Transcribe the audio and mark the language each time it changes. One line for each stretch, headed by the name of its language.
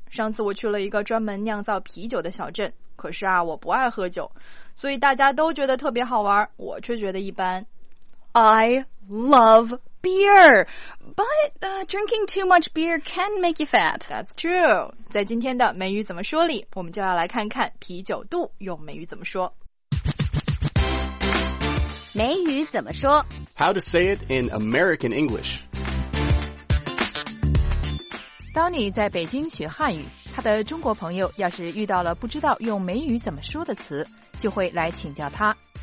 Chinese: 上次我去了一个专门酿造啤酒的小镇，可是啊，我不爱喝酒，所以大家都觉得特别好玩，我却觉得一般。
English: I love beer, but drinking too much beer can make you fat. That's true.
Chinese: 在今天的美语怎么说里，我们就要来看看啤酒肚用美语怎么说。美语怎么说
English: How to say it in American English.
Chinese: Donny 在北京学汉语，他的中国朋友要是遇到了不知道用美语怎么说的词，就会来请教他。